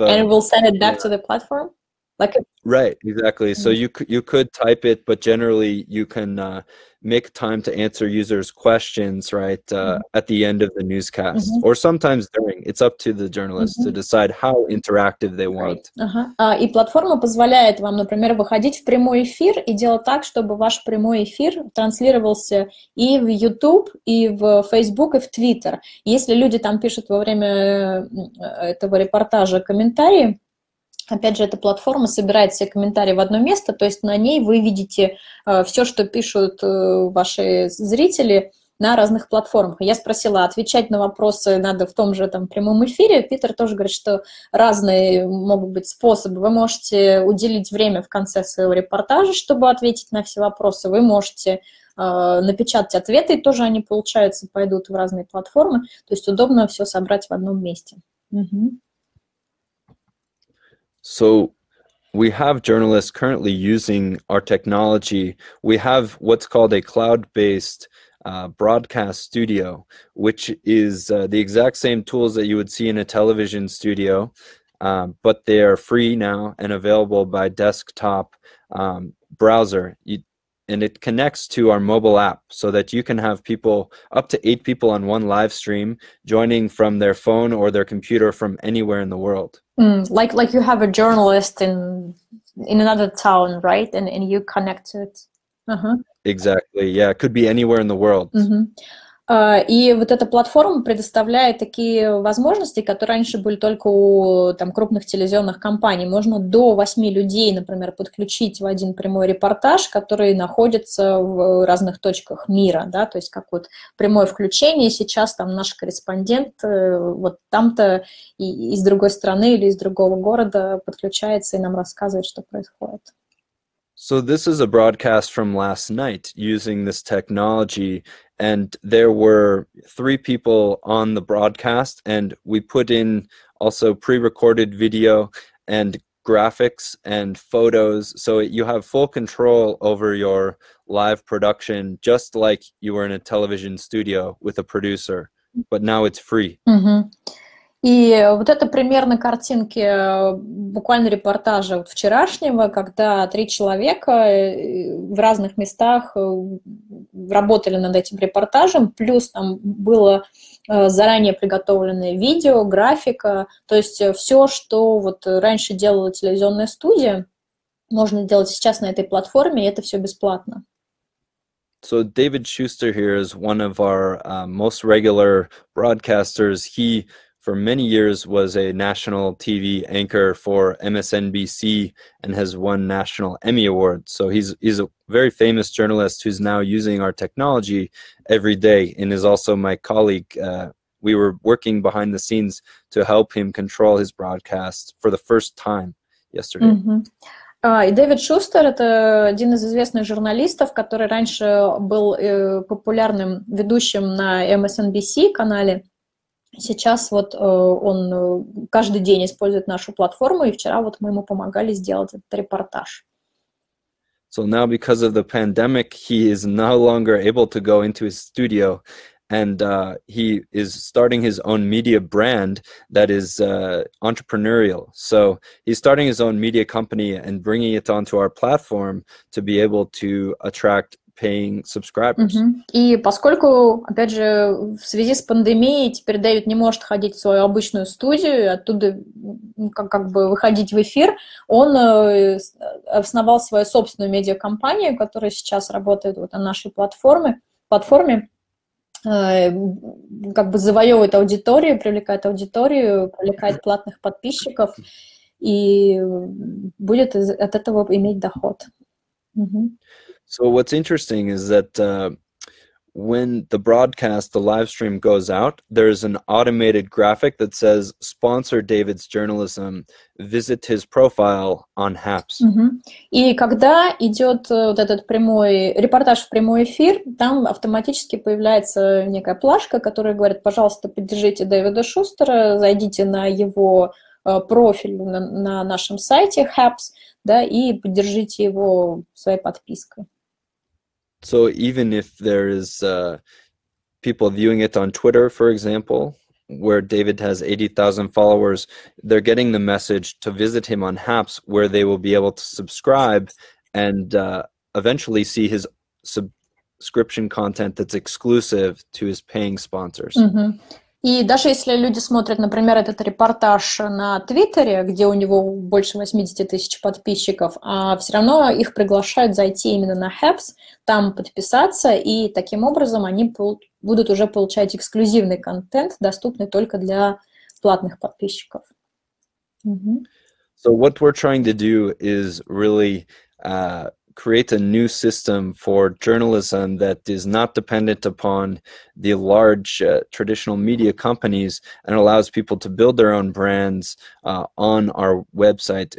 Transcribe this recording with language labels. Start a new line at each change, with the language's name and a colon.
English: And we'll send it back to the platform. Like right, exactly. So you could type it, but generally you can make time to answer users' questions, right, at the end of the newscast, mm-hmm. or sometimes during. It's up to the journalists mm-hmm. to decide how interactive they want.
Russian: И платформа позволяет вам, например, выходить в прямой эфир и делать так, чтобы ваш прямой эфир транслировался и в YouTube, и в Facebook, и в Twitter. Если люди там пишут во время этого репортажа комментарии, опять же, эта платформа собирает все комментарии в одно место, то есть на ней вы видите все, что пишут ваши зрители на разных платформах. Я спросила, отвечать на вопросы надо в том же там прямом эфире. Питер тоже говорит, что разные могут быть способы. Вы можете уделить время в конце своего репортажа, чтобы ответить на все вопросы. Вы можете напечатать ответы, и тоже они, получается, пойдут в разные платформы. То есть удобно все собрать в одном месте. Угу.
English: So we have journalists currently using our technology. We have what's called a cloud-based broadcast studio, which is the exact same tools that you would see in a television studio, but they are free now and available by desktop browser. And it connects to our mobile app so that you can have people, up to 8 people on one live stream, joining from their phone or their computer from anywhere in the world. Mm, like you have a journalist in another town, right? And you connect to it. Uh-huh. Exactly. Yeah, it could be anywhere in the world.
Russian: И вот эта платформа предоставляет такие возможности, которые раньше были только у там, крупных телевизионных компаний. Можно до 8 людей, например, подключить в один прямой репортаж, который находится в разных точках мира, да, то есть как вот прямое включение сейчас там наш корреспондент вот там-то и из другой страны или из другого города подключается и нам рассказывает, что происходит.
English: So this is a broadcast from last night using this technology, and there were 3 people on the broadcast, and we put in also pre-recorded video and graphics and photos, so you have full control over your live production, just like you were in a television studio with a producer, but now it's free. Mm-hmm.
Russian: И вот это примерно картинки буквально репортажа вот вчерашнего, когда три человека в разных местах работали над этим репортажем, плюс там было заранее приготовленное видео, графика, то есть все, что вот раньше делала телевизионная студия, можно делать сейчас на этой платформе, и это все бесплатно.
English: So David Schuster here is one of our most regular broadcasters. He for many years was a national TV anchor for MSNBC and has won national Emmy awards. So he's a very famous journalist who's now using our technology every day and is also my colleague. We were working behind the scenes to help him control his broadcast for the first time yesterday. Mm-hmm.
Russian: И Дэвид Шустер — это один из известных журналистов, который раньше был популярным ведущим на MSNBC канале. Сейчас вот он каждый день использует нашу платформу, и вчера вот мы ему помогали сделать этот репортаж.
English: So now because of the pandemic, he is no longer able to go into his studio, and he is starting his own media brand that is entrepreneurial. So he's starting his own media company and bringing it onto our platform to be able to attract paying subscribers. Mm-hmm.
Russian: И поскольку, опять же, в связи с пандемией теперь Дэвид не может ходить в свою обычную студию, оттуда как бы выходить в эфир, он основал свою собственную медиакомпанию, которая сейчас работает вот на нашей платформе, как бы завоевывает аудиторию, привлекает платных подписчиков и будет от этого иметь доход. Mm-hmm.
English: So what's interesting is that when the broadcast, the live stream goes out, there's an automated graphic that says sponsor David's journalism, visit his profile on HAPS. Mm-hmm.
Russian: И когда идет вот этот прямой репортаж в прямой эфир, там автоматически появляется некая плашка, которая говорит, пожалуйста, поддержите Дэвида Шустера, зайдите на его профиль на нашем сайте HAPS, да, и поддержите его своей подпиской.
English: So even if there is people viewing it on Twitter, for example, where David has 80,000 followers, they're getting the message to visit him on HAPS, where they will be able to subscribe and eventually see his subscription content that's exclusive to his paying sponsors. Mm-hmm.
Russian: И даже если люди смотрят, например, этот репортаж на Твиттере, где у него больше 80 тысяч подписчиков, все равно их приглашают зайти именно на HAPS, там подписаться, и таким образом они будут уже получать эксклюзивный контент, доступный только для платных подписчиков. Mm-hmm.
English: So what we're trying to do is really create a new system for journalism that is not dependent upon the large traditional media companies and allows people to build their own brands on our website.